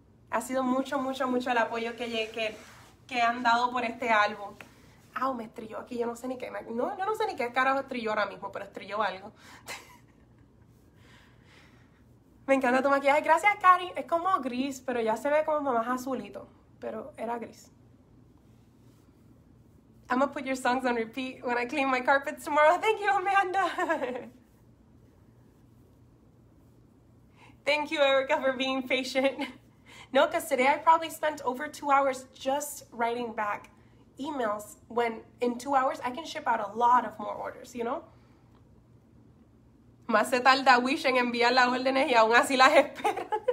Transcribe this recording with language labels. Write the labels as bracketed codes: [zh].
[es] Ha sido mucho, mucho, mucho el apoyo que han dado por este álbum. Ah, me estrelló aquí, yo no sé ni qué. No, yo no sé ni qué carajo estrelló ahora mismo, pero estrelló algo. Me encanta tu maquillaje. Gracias, Cari. Es como gris, pero ya se ve como más azulito. Pero era gris. [en] I'm gonna put your songs on repeat when I clean my carpets tomorrow. Thank you, Amanda. Thank you, Erica, for being patient. No, because today I probably spent over 2 hours just writing back emails when in 2 hours I can ship out a lot of more orders, you know? [es] Más se tarda Wish en enviar las órdenes y aún así las espera.